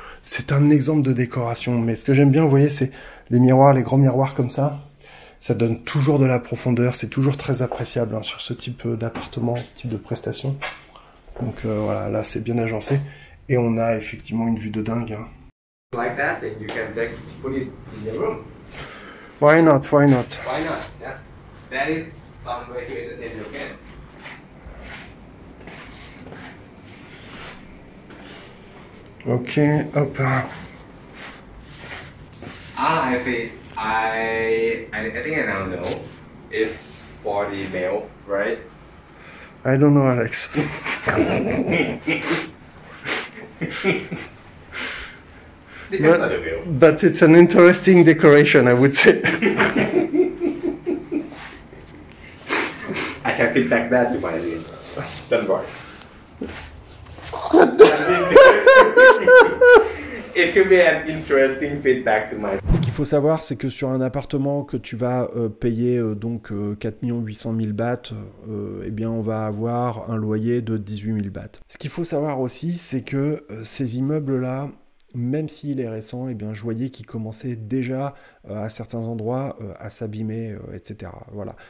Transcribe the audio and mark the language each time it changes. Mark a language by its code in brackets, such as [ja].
[fr] C'est un exemple de décoration, mais ce que j'aime bien, vous voyez, c'est les miroirs, les grands miroirs comme ça. Ça donne toujours de la profondeur, c'est toujours très appréciable hein, sur ce type d'appartement, type de prestation. Donc voilà, là c'est bien agencé et on a effectivement une vue de dingue. Hein. [en] Like that, then you can take, put it in the room. Why not? Yeah, that is some way to entertain your game. Okay, hop. Ah, I see. I think I now know. It's for the male, right? I don't know, Alex. But it's an interesting decoration, I would say. I can feedback that to my Don't worry. It could be an interesting feedback to my. [fr] Ce qu'il faut savoir, c'est que sur un appartement que tu vas payer donc 4 800 000 bahts, eh bien on va avoir un loyer de 18 000 bahts. Ce qu'il faut savoir aussi, c'est que ces immeubles-là, même s'il est récent, eh bien, je voyais qu'il commençait déjà à certains endroits à s'abîmer, etc. Voilà.